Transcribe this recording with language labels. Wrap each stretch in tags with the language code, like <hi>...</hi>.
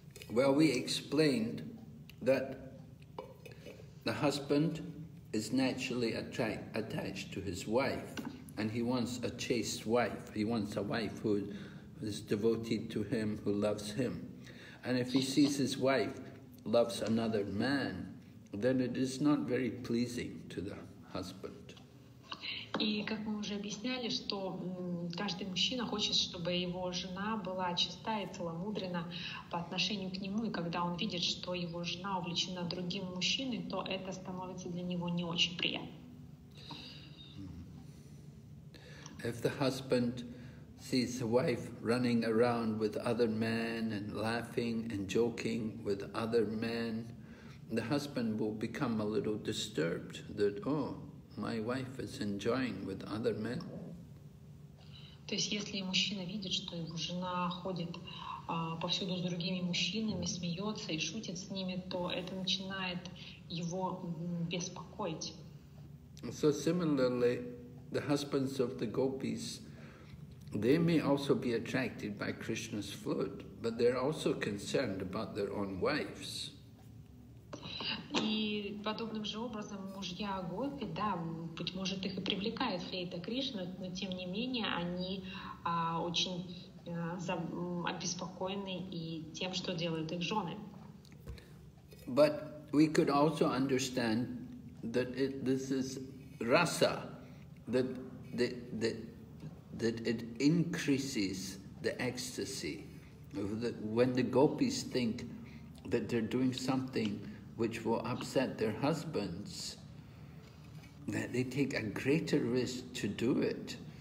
<en>Well, we explained that the husband is naturally attached to his wife, and he wants a chaste wife. He wants a wife who is devoted to him, who loves him. And if he sees his wife loves another man, then it is not very pleasing to the husband.</en> <ru>И как мы уже объясняли, что каждый мужчина хочет, чтобы его жена была чиста и целомудрена по отношению к нему, и когда он видит, что его жена увлечена другим мужчиной, то это становится для него не очень приятно.</ru> <en>If the husband sees the wife running around with other men and laughing and joking with other men, the husband will become a little disturbed that, oh, my wife is enjoying with other men.</en> <ru>То есть если мужчина видит, что его жена ходит повсюду с другими мужчинами, смеется и шутит с ними, то это начинает его беспокоить.</ru> <en>So similarly, the husbands of the gopis, they may also be attracted by Krishna's flute, but they're also concerned about their own wives.</en> <ru>И подобным же образом мужья гопи, да, быть может, их и привлекает флейта Кришны, но тем не менее они очень обеспокоены и тем, что делают их жены.</ru> <en>But we could also understand that this is rasa, that it increases the ecstasy when the gopis think that they're doing something which will upset their husbands, that they take a greater risk to do it.</en>